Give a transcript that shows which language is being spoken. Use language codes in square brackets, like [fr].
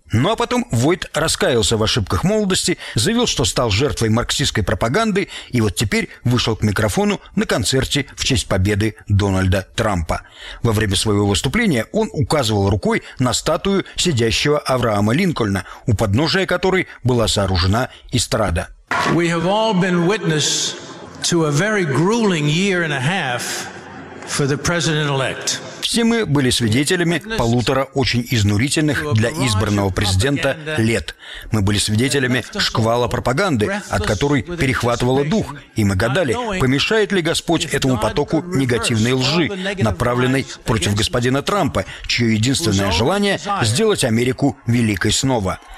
[ru] Ну а потом Войт раскаялся в ошибках молодости, заявил, что стал жертвой марксистской пропаганды и вот теперь вышел к микрофону на концерте в честь победы Дональда Трампа. Во время своего выступления он указывал рукой на статую сидящего Авраама Линкольна, у подножия которой была сооружена эстрада. [en] We have all been witness to a very grueling year and a half for the president-elect. [ru] Все мы были свидетелями полутора очень изнурительных для избранного президента лет. Мы были свидетелями шквала пропаганды, от которой перехватывало дух, и мы гадали, помешает ли Господь этому потоку негативной лжи, направленной против господина Трампа, чье единственное желание – сделать Америку великой снова.